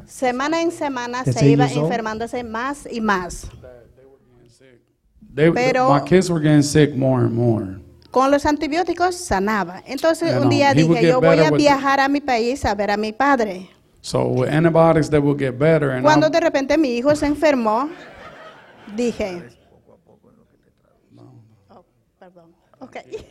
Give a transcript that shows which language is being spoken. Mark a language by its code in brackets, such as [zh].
[es] Semana en semana se iba enfermándose más y más. Pero [en] my kids were getting sick more and more. [es] Con los antibióticos sanaba. Entonces un día dije, yo voy a viajar a mi país a ver a mi padre. [en] So with antibiotics they will get better. [es] Cuando de repente mi hijo se enfermó, dije. Perdón. Okay.